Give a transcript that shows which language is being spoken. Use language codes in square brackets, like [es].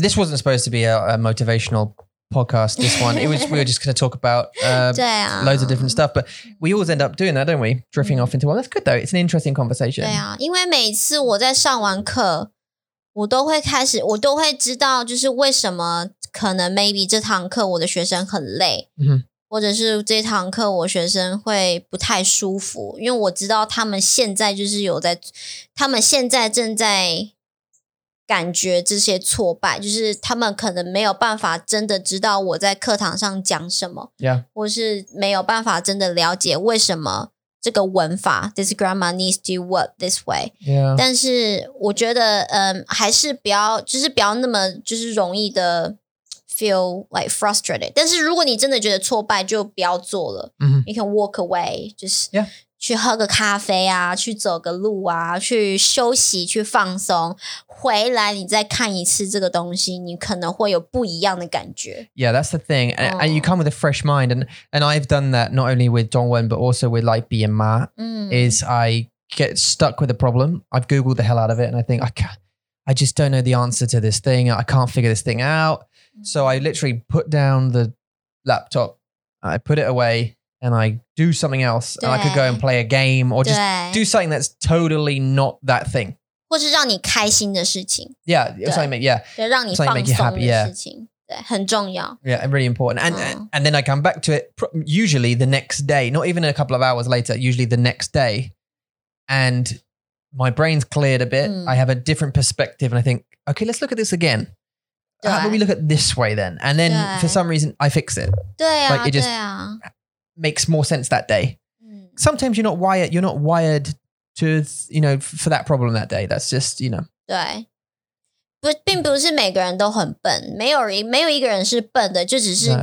[en] This wasn't supposed to be a motivational podcast this one it was we were just going to talk about loads of different stuff but we always end up doing that don't we drifting off into one that's good though it's an interesting conversation [zh] 对啊因为每次我在上完课我都会知道就是为什么可能 maybe 这堂课我的学生很累、 mm-hmm. 或者是这堂课我学生会不太舒服因为我知道他们现在就是有在他们现在正在感觉这些挫败就是他们可能没有办法真的知道我在课堂上讲什么、 [en] yeah. [zh] 或是没有办法真的了解为什么这个文法 [en] This grammar needs to work this way、 yeah. [zh] 但是我觉得、还是不要就是不要那么就是容易的 [en] feel like frustrated [zh] 但是如果你真的觉得挫败就不要做了、 mm-hmm. [en] You can walk away just、 yeah. [zh] 去喝个咖啡啊，去走个路啊，去休息，去放松。回来你再看一次这个东西，你可能会有不一样的感觉。 [en] Yeah, that's the thing. And,、oh. and you come with a fresh mind. And I've done that not only with Dongwen, but also with like BMA,、 mm. is I get stuck with a problem. I've Googled the hell out of it. And I think, I just don't know the answer to this thing. I can't figure this thing out.、Mm. So I literally put down the laptop. I put it away. And I do something else. And I could go and play a game or just do something that's totally not that thing. [zh] 或是让你开心的事情。 [en] Yeah, something make, yeah. [zh] 对，让你放松的事情。对，很重要。 [en] Yeah, and really important. And then I come back to it, usually the next day, not even a couple of hours later, usually the next day. And my brain's cleared a bit. I have a different perspective and I think, okay, let's look at this again. How about we look at this way then? And then for some reason, I fix it. [zh] 对啊, [en] like it just, makes more sense that day. Sometimes you're not wired to, you know, for that problem that day. That's just, you know. [zh] 对。不,并不是每个人都很笨。没有一个人是笨的,就只是你要。